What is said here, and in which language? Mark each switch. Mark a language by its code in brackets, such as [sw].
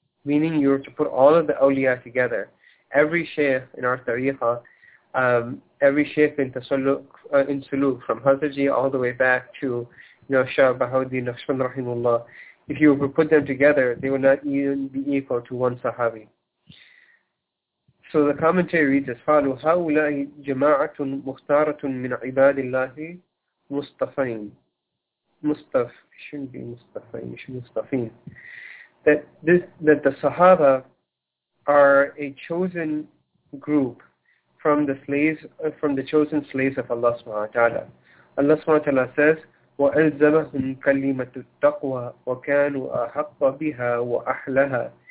[en] Meaning you're to put all of the awliya together. Every shaykh in our tariqa, every shaykh in tasalluq in suluk from Hazraji all the way back to, you know, Shah Bahauddin Naqshband rahimullah, if you were to put them together, they would not even be equal to one sahabi. So the commentary reads as follows: [ar] هَؤُلَاءِ جَمَاعَةٌ مُخْتَارَةٌ مِنْ عِبَادِ اللَّهِ مُصْطَفَيْنَ. [en] مُصْطَف shouldn't be مُصْطَفَيْنَ, should be مُصْطَفِينَ. That the sahaba are a chosen group from the slaves, from the chosen slaves of Allah subhanahu wa ta'ala. Allah subhanahu wa ta'ala says, [ar] وَأَلْزَمَهُمْ كَلِّمَةُ التَّقْوَى وَكَانُوا أَحَقَّ بِهَا وَأَحْلَهَا.